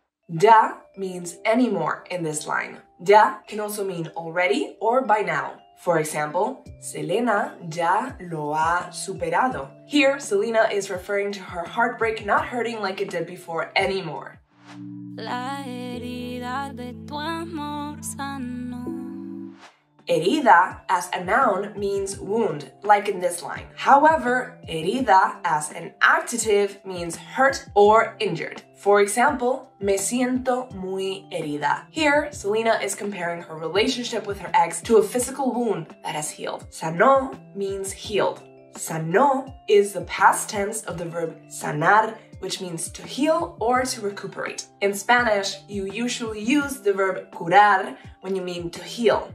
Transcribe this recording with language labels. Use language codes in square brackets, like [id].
[en] Ya means anymore in this line. Ya can also mean already or by now. For example, [es] Selena ya lo ha superado. [en] Here, Selena is referring to her heartbreak not hurting like it did before anymore. [es] La herida de tu amor sanó. [en] Herida as a noun means wound, like in this line. However, herida as an adjective means hurt or injured. For example, [es] me siento muy herida. [en] Here, Selena is comparing her relationship with her ex to a physical wound that has healed. Sanó means healed. Sanó is the past tense of the verb sanar, which means to heal or to recuperate. In Spanish, you usually use the verb curar when you mean to heal.